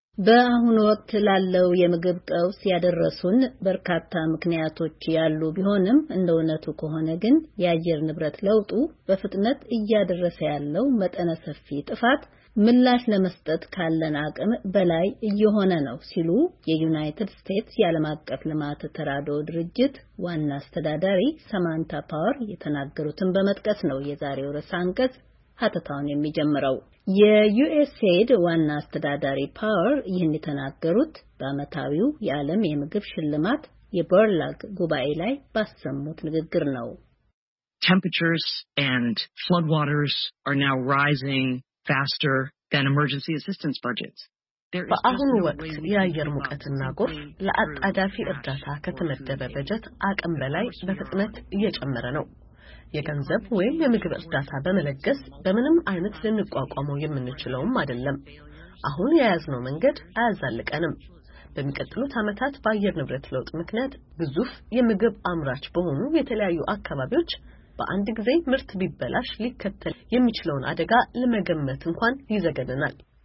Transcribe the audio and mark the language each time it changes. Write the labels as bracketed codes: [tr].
[am] በአሁን ወቅት ላለው የምግብ ቀውስ ያደረሱን በርካታ ምክንያቶች ያሉ ቢሆንም እንደውነቱ ከሆነ ግን የአየር ንብረት ለውጡ በፍጥነት እያደረሰ ያለው መጠነ ሰፊ ጥፋት ምላሽ ለመስጠት ካለን አቅም በላይ እየሆነ ነው ሲሉ የዩናይትድ ስቴትስ የዓለም አቀፍ ልማት ተራድኦ ድርጅት ዋና አስተዳዳሪ ሳማንታ ፓወር የተናገሩትን በመጥቀስ ነው የዛሬው ርዕሰ አንቀጽ ሀተታውን የሚጀምረው። የዩኤስኤድ ዋና አስተዳዳሪ ፓወር ይህን የተናገሩት በአመታዊው የዓለም የምግብ ሽልማት የበርላግ ጉባኤ ላይ ባሰሙት ንግግር ነው። [en] Temperatures and floodwaters are now rising faster than emergency assistance budgets. [am] በአሁኑ ወቅት የአየር ሙቀትና ጎርፍ ለአጣዳፊ እርዳታ ከተመደበ በጀት አቅም በላይ በፍጥነት እየጨመረ ነው። የገንዘብ ወይም የምግብ እርዳታ በመለገስ በምንም አይነት ልንቋቋመው የምንችለውም አይደለም። አሁን የያዝነው መንገድ አያዛልቀንም። በሚቀጥሉት አመታት በአየር ንብረት ለውጥ ምክንያት ግዙፍ የምግብ አምራች በሆኑ የተለያዩ አካባቢዎች በአንድ ጊዜ ምርት ቢበላሽ ሊከተል የሚችለውን አደጋ ለመገመት እንኳን ይዘገናል።